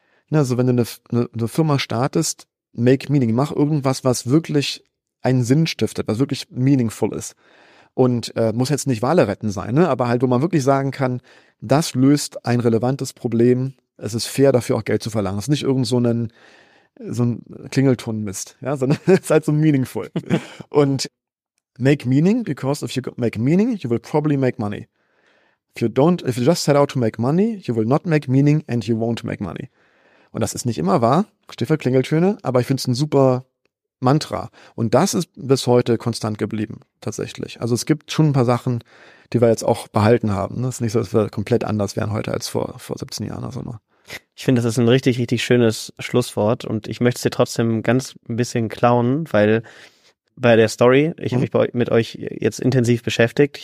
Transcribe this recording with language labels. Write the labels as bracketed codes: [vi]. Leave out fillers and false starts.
[de] Also wenn du eine Firma startest, [en] make meaning, [de] mach irgendwas, was wirklich einen Sinn stiftet, was wirklich meaningful ist. Und muss jetzt nicht Wale retten sein, ne? Aber halt, wo man wirklich sagen kann, das löst ein relevantes Problem, es ist fair, dafür auch Geld zu verlangen. Es ist nicht irgend so ein Klingelton-Mist, ja? Sondern es ist halt so meaningful. [en] Und make meaning, because if you make meaning, you will probably make money. If you just set out to make money, you will not make meaning and you won't make money. [de] Und das ist nicht immer wahr, Stifter Klingeltöne, aber ich finde es ein super Mantra. Und das ist bis heute konstant geblieben, tatsächlich. Also es gibt schon ein paar Sachen, die wir jetzt auch behalten haben. Es ist nicht so, dass wir komplett anders wären heute als vor 17 Jahren oder so. Ich finde, das ist ein richtig, richtig schönes Schlusswort. Und ich möchte es dir trotzdem ganz ein bisschen klauen, weil bei der Story, ich habe mich mit euch jetzt intensiv beschäftigt.